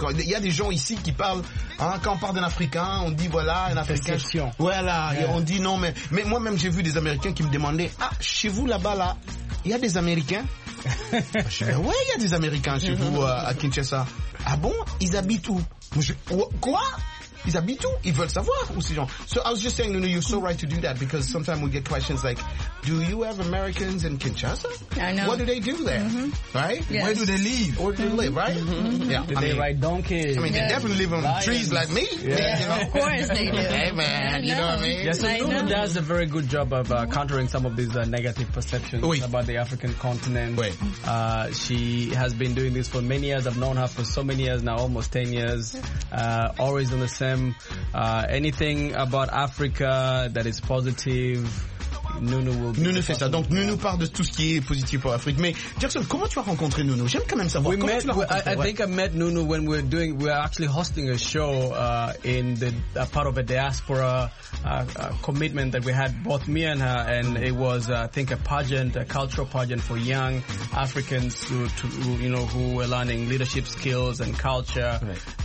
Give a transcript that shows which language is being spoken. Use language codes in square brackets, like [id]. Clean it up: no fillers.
[fr] Il y a des gens ici qui parlent, hein, quand on parle d'un Africain, on dit voilà, un Africain. Perception. Voilà, et on dit non, mais moi-même j'ai vu des Américains qui me demandaient "Ah, chez vous là-bas là, il y a des Américains ?" Ouais, il y a des Américains chez vous à Kinshasa. Ah bon? Ils habitent où? Quoi? Ils habitent où? Ils veulent savoir où ces gens. [en] So I was just saying, Nounou, you're so right to do that because sometimes we get questions like, do you have Americans in Kinshasa? I know. What do they do there? Mm-hmm. Right? Yes. Where do they live? Where do they live, right? Mm-hmm. Yeah. Do they ride donkeys? I mean, they definitely live on lions. Trees like me. Yeah. Yeah. You know? Of course they do. Hey, man. You know what I mean? Yes, so Nounou does a very good job of countering some of these negative perceptions about the African continent. Wait. She has been doing this for many years. I've known her for so many years now, almost 10 years. Always in the same them. Anything about Africa that is positive, Nounou will be. [fr] Nounou fait ça. Donc Nounou parle de tout ce qui est positif pour l'Afrique. Mais Jackson, comment tu as rencontré Nounou? J'aime quand même savoir. [en] I think I met Nounou when we were doing. We were actually hosting a show in the a part of a diaspora commitment that we had, both me and her. And it was, I think, a pageant, a cultural pageant for young Africans who were learning leadership skills and culture. Right.